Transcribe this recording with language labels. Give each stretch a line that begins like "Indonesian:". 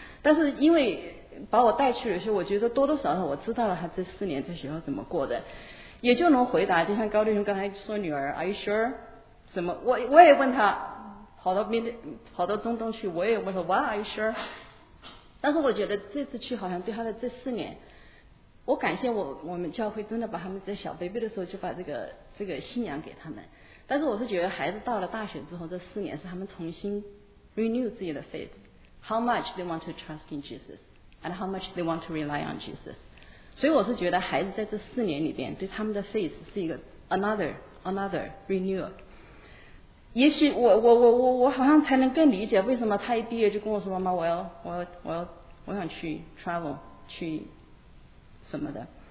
Chinese: 但是因为把我带去的时候，我觉得多多少少我知道了他这四年在学校怎么过的，也就能回答，就像高弟兄刚才说女儿
English: Are you sure？
Chinese: 怎么我也问他跑到中东去，我也问他
English: Why are you sure？
Chinese: 但是我觉得这次去好像对他的这四年，我感谢我们教会真的把他们在小 baby 的时候就把这个信仰给他们。但是我是觉得孩子到了大学之后，这四年是他们重新 renew 自己的 faith，
English: how much they want to trust in Jesus and how much they want to rely on Jesus。
Chinese: 所以我是觉得孩子在这四年里边对他们的 faith 是一个
English: another renew。
Chinese: 也许我好像才能更理解为什么他一毕业就跟我说妈妈我想去 travel 去什么的。